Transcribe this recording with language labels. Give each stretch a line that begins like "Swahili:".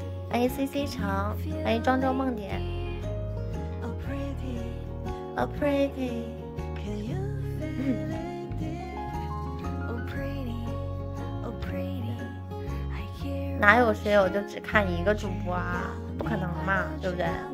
Chinese: 欢迎 CC 长，欢迎庄周梦点。
English: Oh pretty, oh pretty, can you feel it? Oh pretty, oh pretty, I hear.
Chinese: 哪有谁有就只看一个主播啊？不可能嘛，对不对？